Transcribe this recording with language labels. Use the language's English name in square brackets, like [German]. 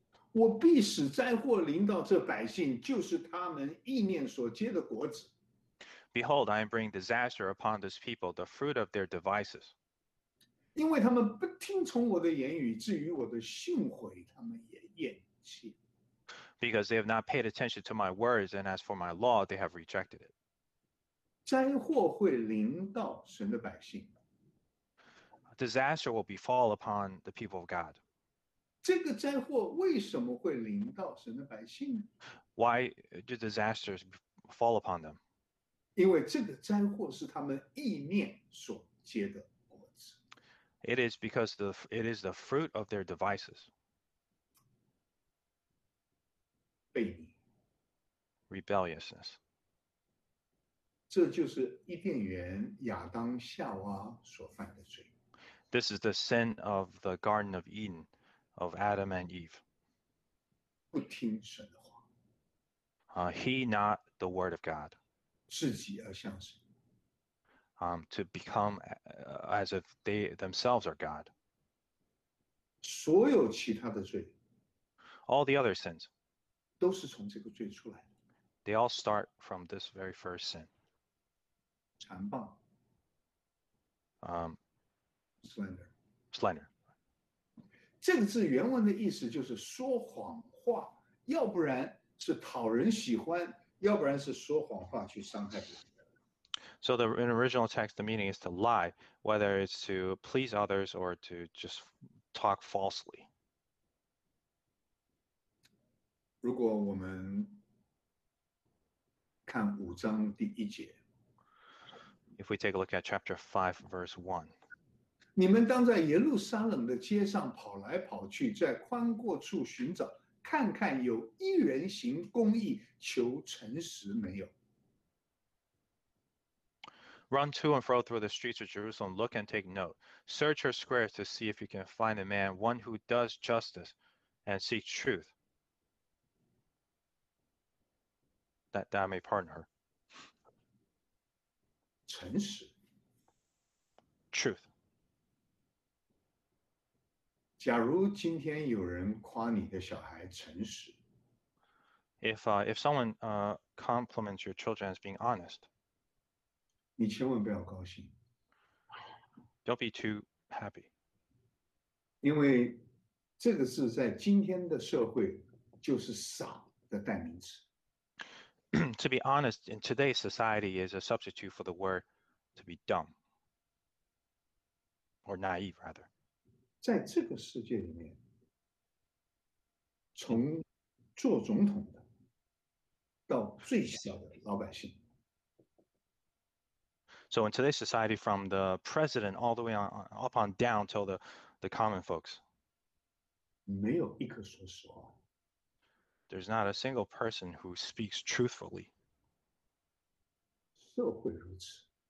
[Chinese] 我必使灾祸临到这百姓，就是他们意念所结的果子。 [English] Behold, I am bringing disaster upon this people, the fruit of their devices. [Chinese] 因为他们不听从我的言语，至于我的训诲，他们也厌弃。 [English] Because they have not paid attention to my words, and as for my law, they have rejected it. [Chinese] 灾祸会临到神的百姓。 [English] Disaster will befall upon the people of God. [Chinese] 这个灾祸为什么会临到神的百姓呢？ [English] Why do disasters fall upon them? [Chinese] 因为这个灾祸是他们意念所结的果子。 [English] It is because it is the fruit of their devices. [Chinese] 悖逆。 [English] Rebelliousness. [Chinese] 这就是伊甸园亚当夏娃所犯的罪。 [English] This is the sin of the Garden of Eden, of Adam and Eve. [Chinese] 不听神的话。 [English] Heed not the word of God. [Chinese] 自己而向神。 [English] To become as if they themselves are God. [Chinese] 所有其他的罪。 [English] All the other sins. [Chinese] 都是从这个罪出来的。 [English] They all start from this very first sin. [Chinese] 残暴。 [English] Slander. [Chinese] 这个字原文的意思就是说谎话，要不然是讨人喜欢，要不然是说谎话去伤害别人。 [English] So the in original text, the meaning is to lie, whether it's to please others or to just talk falsely. [Chinese] 如果我们看五章第一节 [English] ，If we take a look at chapter 5, verse 1. [Chinese] 你们当在耶路撒冷的街上跑来跑去，在宽过处寻找，看看有一人行公义、求诚实没有。 [English] Run to and fro through the streets of Jerusalem, look and take note. Search her squares to see if you can find a man, one who does justice and seeks truth. That I may pardon her. [Chinese] 诚实。 [English] Truth. [Chinese] 假如今天有人夸你的小孩诚实 [English] if someone compliments your children as being honest, [Chinese] 你千万不要高兴 [English] Don't be too happy. [Chinese] 因为这个是在今天的社会就是傻的代名词 [English] To be honest in today's society is a substitute for the word to be dumb. Or naive, rather. [Chinese] 在这个世界里面，从做总统的到最小的老百姓。 [English] So in today's society, from the president all the way on, up on down till the common folks, [Chinese] 没有一个说实话。 [English] There's not a single person who speaks truthfully. [Chinese] 社会如此。